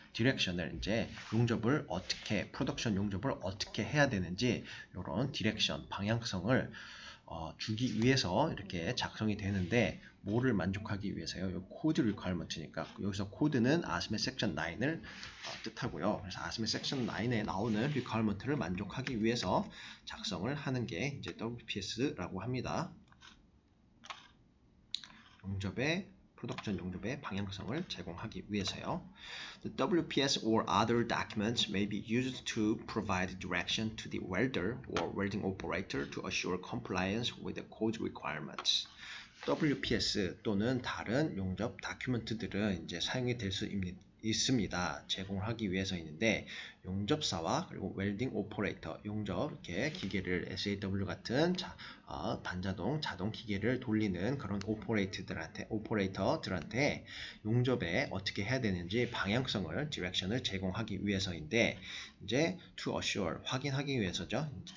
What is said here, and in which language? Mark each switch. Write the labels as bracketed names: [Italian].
[Korean] Direction을 이제 용접을 어떻게 production 용접을 어떻게 해야 되는지 이런 direction 방향성을 주기 위해서 이렇게 작성이 되는데 뭐를 만족하기 위해서요? 요 code requirement니까 여기서 코드는 ASME Section 9을 뜻하고요. 그래서 ASME Section 9에 나오는 requirement를 만족하기 위해서 작성을 하는 게 이제 WPS라고 합니다. 프로덕션 용접의 방향성을 제공하기 위해서요. [English] The WPS or other documents may be used to provide direction to the welder or welding operator to assure compliance with the code requirements. [Korean] WPS 또는 다른 용접 다큐멘트들은 이제 사용이 될수 있습니다. 제공하기 위해서인데 용접사와 그리고 웰딩 오퍼레이터 용접 이렇게 기계를 SAW 같은 반자동 자동 기계를 돌리는 그런 오퍼레이터들한테 용접에 어떻게 해야 되는지 방향성을 디렉션을 제공하기 위해서인데 이제 to assure 확인하기 위해서죠.